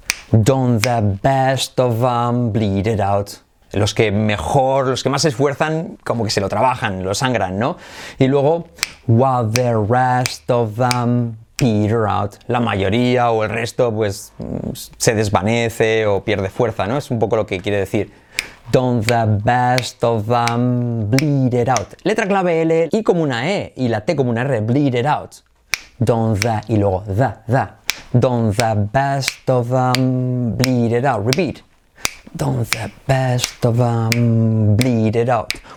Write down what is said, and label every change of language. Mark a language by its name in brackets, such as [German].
[English] Don't the best of them bleed it out. [Spanish] Los que mejor, los que más se esfuerzan, como que se lo trabajan, lo sangran, ¿no? [English] Y luego, while the rest of them peter out. [Spanish] La mayoría o el resto, pues, se desvanece o pierde fuerza, ¿no? Es un poco lo que quiere decir. [English] Don't the best of them bleed it out. [Spanish] Letra clave L, I como una E y la T como una R, bleed it out. [English] Don't the, y luego the, the. Don't the best of them bleed it out. Repeat. Don't the best of them bleed it out.